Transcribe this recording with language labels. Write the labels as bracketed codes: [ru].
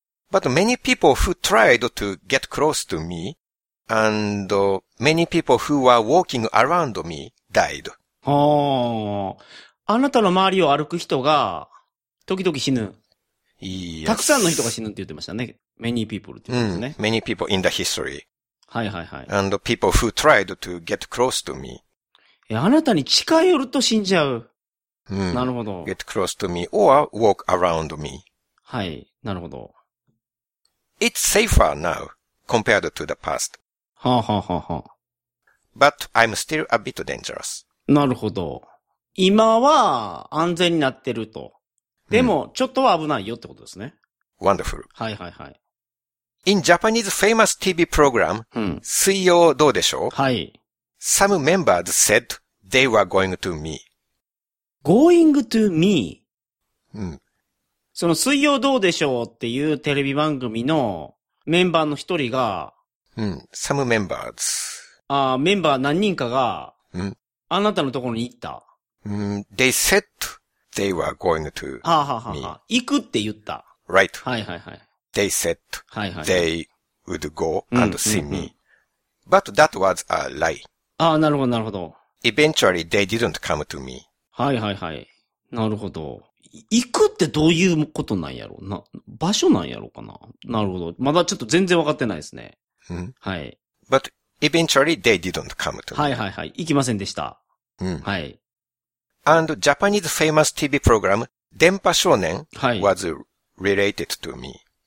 [en] But many people who tried to get close to me,And many people who were walking around me died. [ja] あ、あなたの周りを歩く人が時々死ぬ。 [en] Yes. [ja] たくさんの人が死ぬって言ってましたね。 [en] Many people [ja] って言ってますね。 [en] Many people in the history. [ja] はいはいはい。 [en] And people who tried to get close to me. [ja] あなたに近寄ると死んじゃう。なるほど。 [en] Get close to me or walk around me. [ja] はい、なるほど。 [en] It's safer now. Compared to the past. [ja] はあはあははあ。 [en] But I'm still a bit dangerous. [ja] なるほど。今は安全になってると。でも、ちょっとは危ないよってことですね。 [en] Wonderful. [ja] はいはいはい。 [en] In Japanese famous TV program,、水曜どうでしょう? [ja] はい。 [en] Some members said they were going to me. Going to me?、 [ja] うん、その水曜どうでしょうっていうテレビ番組のメンバーの一人が、 [en] some members. [ja] ああ、メンバー何人かが、うん、あなたのところに行った。 [en] They said they were going to [ja] me. はあはあはあ。行くって言った。 [en] Right. [ja] はいはいはい。 [en] They said、 [ja] はいはい、 [en] they would go and see me.、But that was a lie. [ja] ああ、なるほどなるほど。 Eventually they didn't come to me. はいはいはい。なるほど。行くってどういうことなんやろな、場所なんやろかな。なるほど。まだちょっと全然分かってないですね。はい。 [en] But eventually they didn't come to me. [ja] はいはいはい。行きませんでした。はい。 [en] And Japanese famous TV program, 電波少年 was related to me.、